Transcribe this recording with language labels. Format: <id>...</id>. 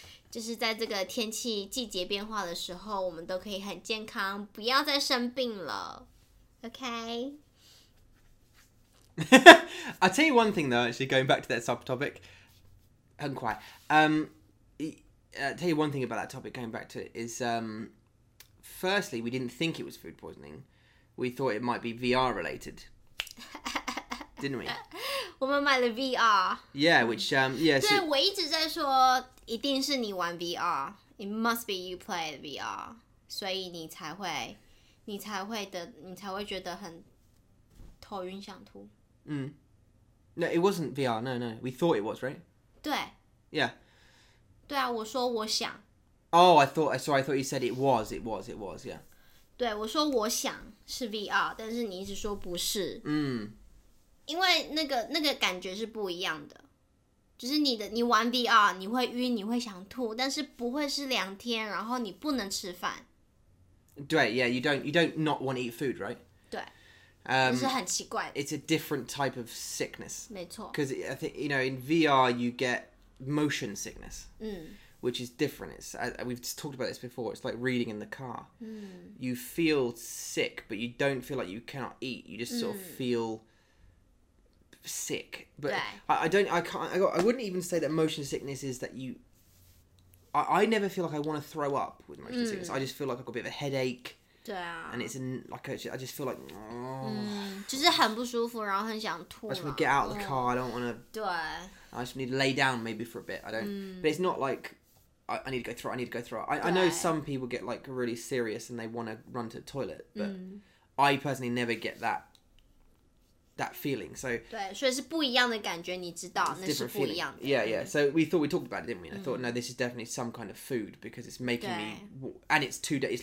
<zh>就是在这个天气季节变化的时候，我们都可以很健康，不要再生病了。</zh> <en>OK. I'll tell you one thing though, actually, going back to that subtopic, and quite. Tell you one thing about that topic, going back to it, is firstly, we didn't think it was food poisoning. We thought it might be VR related. Didn't we?</en> <zh>我们买了 VR.</zh> <en>Yeah, which, yeah.</en> <zh>对，我一直在说一定是你玩 VR.</zh> <en>It must be you play VR.</en> <zh>所以你才会觉得很头晕想吐。</zh> <en>No, it wasn't VR. No, no. We thought it was, right?</en> <zh>对。</zh> <en>Yeah.</en> <zh>对啊，我说我想。</zh> <en>Oh, I thought, sorry, I thought you said it was, yeah.</en> <zh>对，我说我想是 VR, 但是你一直说不是。因为那个感觉是不一样的，就是你玩 VR 你会晕，你会想吐，但是不会是两天，然后你不能吃饭。</zh> <en>对，Yeah, you don't not want to eat food, right?</en> <zh>对，就是很奇怪。</zh> <en>It's a different type of sickness.</en> <zh>没错</zh> <en>，Because I think you know in VR you get motion sickness. 嗯。 Which is different. We've just talked about this before. It's like reading in the car. Mm. You feel sick, but you don't feel like you cannot eat. You just sort of feel sick. But I wouldn't even say that motion sickness is that you... I never feel like I want to throw up with motion sickness. I just feel like I've got a bit of a headache.</en> <zh>对啊.</zh> <en>And it's like, I just feel like...</en> <zh>Just 很不舒服然后很想吐</zh> <en>了。 I just want to get out of the car. I don't want to... 对。 I just need to lay down maybe for a bit. I don't... But it's not like... I need to go throw up. I know some people get like really serious and they want to run to the toilet, but I personally never get that feeling. So,</en> <zh>对，所以是不一样的感觉，你知道，那是不一样的。</zh> <en>Yeah, yeah. So we thought we talked about it, didn't we? And I thought, no, this is definitely some kind of food because it's making me, and it's 2 days.</en>